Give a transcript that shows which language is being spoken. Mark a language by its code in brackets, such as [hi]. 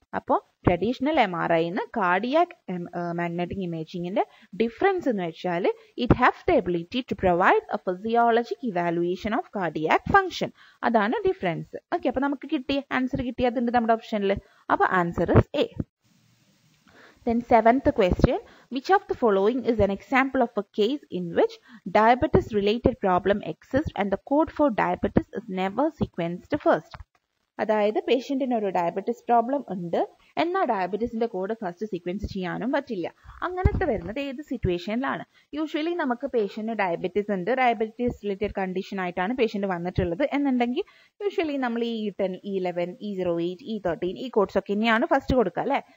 [ml] അപ്പോൾ traditional MRI എന്ന് cardiac magnetic ഇമേജിങ്ങിന്റെ difference എന്ന് വെച്ചാൽ [en] it have the ability to provide a physiologic evaluation of cardiac function, [ml] അതാണ് difference. Okay, അപ്പൊ നമുക്ക് കിട്ടിയ ആൻസർ കിട്ടിയ അതുണ്ട് നമ്മുടെ ഓപ്ഷനിൽ. [en] അപ്പൊ answer is A. Then seventh question, which of the following is an example of a case in which diabetes related problem exists and the code for diabetes is never sequenced first? [ml] അതായത് പേഷ്യൻറ്റിന് ഒരു diabetes problem ഉണ്ട് എന്നാൽ ഡയബറ്റീസിന്റെ code first sequence ചെയ്യാനും പറ്റില്ല. അങ്ങനത്തെ വരുന്നത് ഏത് സിറ്റുവേഷനിലാണ്? Usually നമുക്ക് പേഷ്യന്റിന് ഡയബറ്റീസ് ഉണ്ട്, ഡയബറ്റീസ് റിലേറ്റഡ് കണ്ടീഷൻ ആയിട്ടാണ് പേഷ്യന്റ് വന്നിട്ടുള്ളത് എന്നുണ്ടെങ്കിൽ യൂഷ്വലി നമ്മൾ E10, E11, E08, E13 ഈ കോഡ്സ് ഒക്കെ ഇനിയാണ് ഫസ്റ്റ് കൊടുക്കുക അല്ലേ.